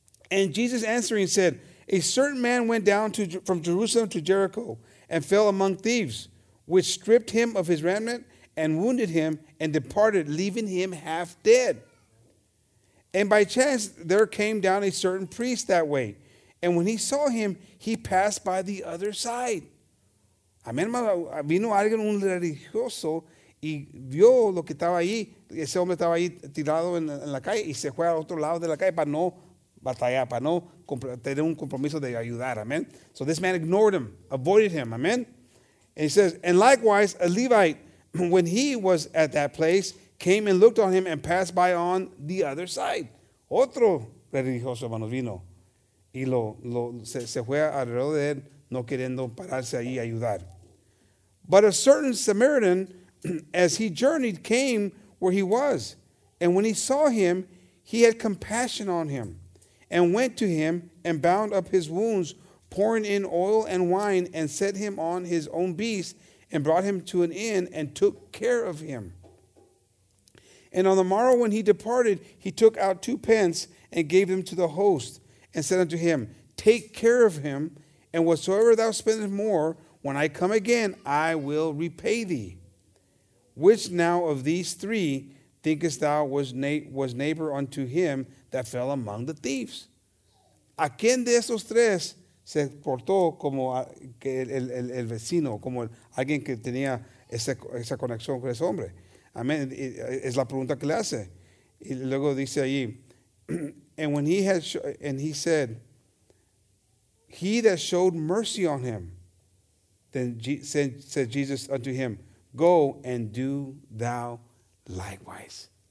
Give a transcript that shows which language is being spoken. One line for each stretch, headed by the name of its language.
English: And Jesus answering said, A certain man went down from Jerusalem to Jericho and fell among thieves, which stripped him of his raiment and wounded him and departed, leaving him half dead. And by chance there came down a certain priest that way. And when he saw him, he passed by the other side.
Spanish: Amén, vino alguien, un religioso, y vio lo que estaba ahí. Ese hombre estaba ahí tirado en la calle y se fue al otro lado de la calle para no batallar, para no tener un compromiso de ayudar, amen.
English: So this man ignored him, avoided him, amen. And he says, and likewise, a Levite, when he was at that place, came and looked on him and passed by on the other side.
Spanish: Otro religioso, hermano, vino y se fue alrededor de él, no queriendo pararse ahí a ayudar.
English: But a certain Samaritan, as he journeyed, came where he was. And when he saw him, he had compassion on him. And went to him and bound up his wounds, pouring in oil and wine, and set him on his own beast, and brought him to an inn, and took care of him. And on the morrow when he departed, he took out 2 pence, and gave them to the host, and said unto him, Take care of him, and whatsoever thou spendest more, when I come again, I will repay thee. Which now of these three thinkest thou was neighbor unto him, that fell among the thieves.
Spanish: ¿A quién de esos tres se portó como el vecino, como alguien que tenía esa conexión con ese hombre? Amén. Es la pregunta que le hace. Y luego dice allí,
English: And when he said, He that showed mercy on him, then said Jesus unto him, Go and do thou likewise.